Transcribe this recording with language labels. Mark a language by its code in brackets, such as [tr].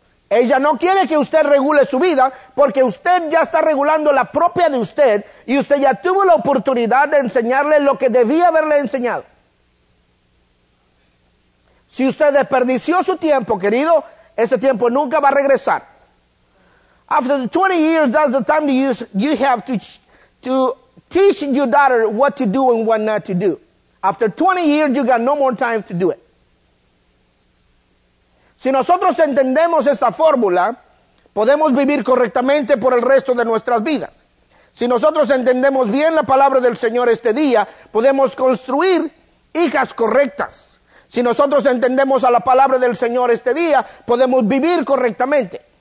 [es] Ella no quiere que usted regule su vida, porque usted ya está regulando la propia de usted y usted ya tuvo la oportunidad de enseñarle lo que debía haberle enseñado. Si usted desperdició su tiempo, querido, ese tiempo nunca va a regresar. [en] After 20 years, that's the time you have to teach your daughter what to do and what not to do. After 20 years, you got no more time to do it. [es] Si nosotros entendemos esa fórmula, podemos vivir correctamente por el resto de nuestras vidas. Si nosotros entendemos bien la palabra del Señor este día, podemos construir hijas correctas. Si nosotros entendemos a la palabra del Señor este día, podemos vivir correctamente.